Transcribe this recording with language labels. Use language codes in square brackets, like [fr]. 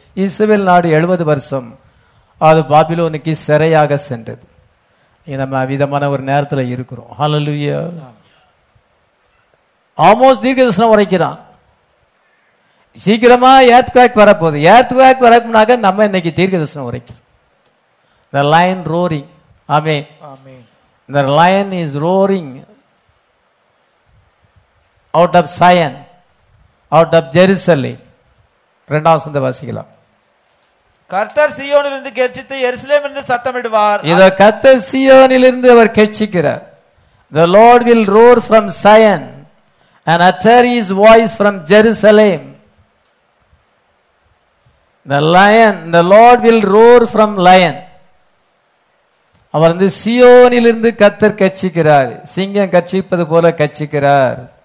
[ta] இஸ்ரவேல் நாடு 70 வருஷம் அது பாபிலோனுக்கு சிறையாக சென்றது. நம்ம அவிதமான ஒரு நேரத்தில் இருக்கிறோம். ஹல்லேலூயா. ஆமோஸ் தீர்க்கதரிசனம் உரைக்கிறான். சீக்கிரமா எர்த்குவேக் வரப்போகுது. எர்த்குவேக் வரப்போனாக்க நம்ம இன்னைக்கு தீர்க்கதரிசனம் உரைக்கிறோம். [en] The lion roaring. Amen. Amen. The lion is roaring out of Zion, out of Jerusalem. [ta] 2 வசிக்கலாம். கர்த்தர் சியோனிலிருந்து கெர்ச்சித்து எருசலேமிலிருந்து சத்தமிடுவார். இத கர்த்தர் சியோனிலிருந்து அவர் கெர்ச்சிக்கிறார். [en] The Lord will roar from Zion and utter his voice from Jerusalem. The lion, the Lord will roar from lion. [ta] அவர் வந்து சியோனிலிருந்து கர்த்தர் கெர்ச்சிக்கிறார். சிங்கம் கெர்ச்சிப்பது போல கெர்ச்சிக்கிறார்.